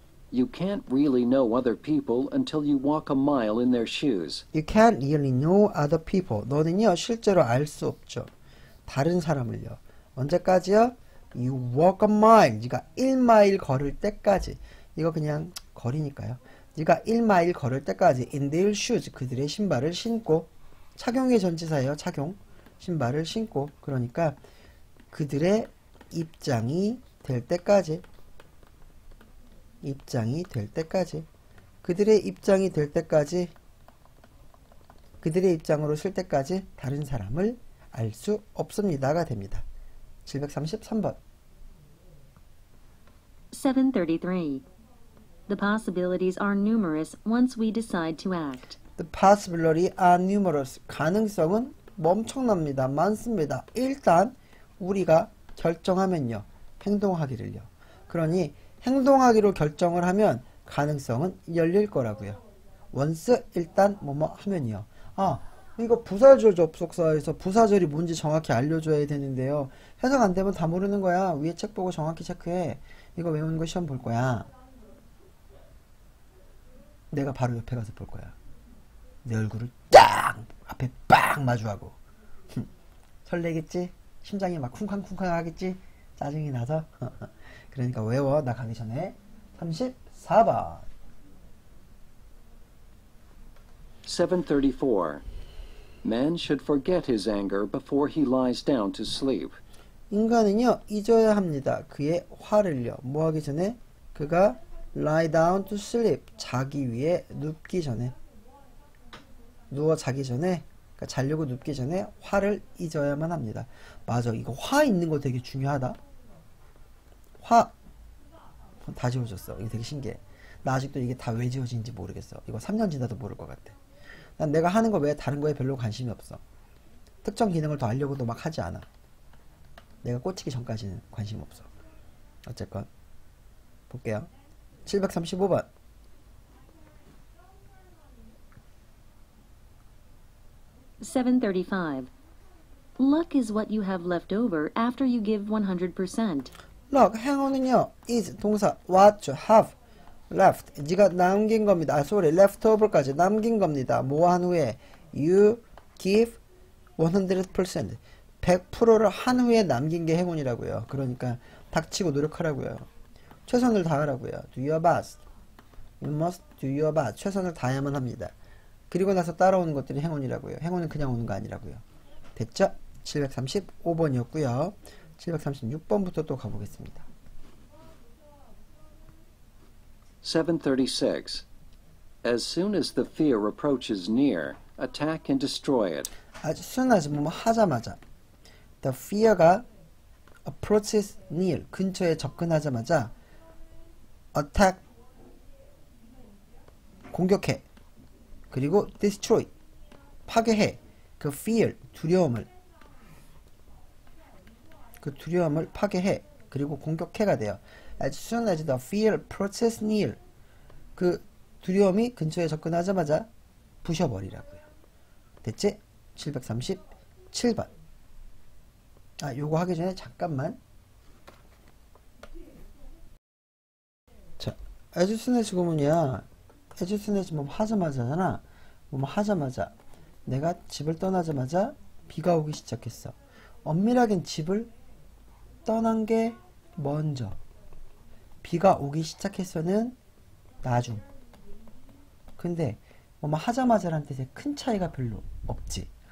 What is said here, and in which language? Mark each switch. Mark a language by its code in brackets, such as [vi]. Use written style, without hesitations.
[en] You can't really know other people until you walk a mile in their shoes. You can't really know other people. [ko] 너는요, 실제로 알 수 없죠. 다른 사람을요. 언제까지요? [en] You walk a mile. [ko] 네가 1마일 걸을 때까지. 이거 그냥 거리니까요. 네가 1마일 걸을 때까지 [en] in their shoes. [ko] 그들의 신발을 신고 착용의 전치사예요. 착용. 신발을 신고. 그러니까 그들의 입장이 될 때까지. 입장이 될 때까지. 그들의 입장이 될 때까지. 그들의 입장으로 쓸 때까지 다른 사람을 알 수 없습니다가 됩니다. 733번. 733. [en] The possibilities are numerous once we decide to act. The possibility are numerous. [ko] 가능성은 엄청납니다. 많습니다. 일단 우리가 결정하면요. 행동하기를요. 그러니 행동하기로 결정을 하면 가능성은 열릴 거라고요. Once 일단 뭐뭐 하면요. 아, 이거 부사절 접속사에서 부사절이 뭔지 정확히 알려줘야 되는데요. 해석 안 되면 다 모르는 거야. 위에 책 보고 정확히 체크해. 이거 외우는 거 시험 볼 거야. 내가 바로 옆에 가서 볼 거야. 내 얼굴을 짱! 앞에 빵! 마주하고. 설레겠지? 심장이 막 쿵쾅쿵쾅 하겠지? 짜증이 나서? 그러니까 외워. 나 가기 전에. 34번. 734. [en] Man should forget his anger before he lies down to sleep. [ko] 인간은요, 잊어야 합니다. 그의 화를요. 뭐 하기 전에? [en] 그가 lie down to sleep. [ko] 자기 위에 눕기 전에. 누워 자기 전에. 그러니까 자려고 눕기 전에 화를 잊어야만 합니다. 맞아. 이거 화 있는 거 되게 중요하다. 화. 다 지워졌어. 이게 되게 신기해. 나 아직도 이게 다 왜 지워진지 모르겠어. 이거 3년 지나도 모를 것 같아. 난 내가 하는 거 외에 다른 거에 별로 관심이 없어. 특정 기능을 더 알려고도 막 하지 않아. 내가 꽂히기 전까지는 관심 없어. 어쨌건 볼게요. 735번. [en] (735) Luck is what you have left over after you give 100%. [ko] Luck, 행운은요. [en] Is [ko] 동사 [en] what you have left. [ko] 네가 남긴 겁니다. 아, sorry. Left over까지 남긴 겁니다. 뭐 한 후에 [en] you give 100%. [ko] 100%를 한 후에 남긴 게 행운이라고요. 그러니까 닥치고 노력하라고요. 최선을 다하라고요. [en] Do your best. You must do your best. [ko] 최선을 다해야만 합니다. 그리고 나서 따라오는 것들이 행운이라고요. 행운은 그냥 오는 거 아니라고요. 됐죠? 735번이었고요. 736번부터 또 가보겠습니다. 736. [en] As soon as the fear approaches near, attack and destroy it. [ko] As soon as 뭐 하자마자. [en] The fear가 approaches near, [ko] 근처에 접근하자마자 attack, 공격해, 그리고 destroy, 파괴해, 그 fear, 두려움을, 그 두려움을 파괴해, 그리고 공격해가 돼요. [en] As soon as the fear approaches near, [ko] 그 두려움이 근처에 접근하자마자 부셔버리라고요. 됐지? 737번. 아, 요거 하기 전에 잠깐만. 자, as soon as 구문이야. As soon as 뭐 하자마자잖아. 뭐 하자마자. 내가 집을 떠나자마자 비가 오기 시작했어. 엄밀하게 집을 떠난 게 먼저. 비가 오기 시작해서는 나중. 근데 뭐 하자마자란 뜻에 큰 차이가 별로 없지.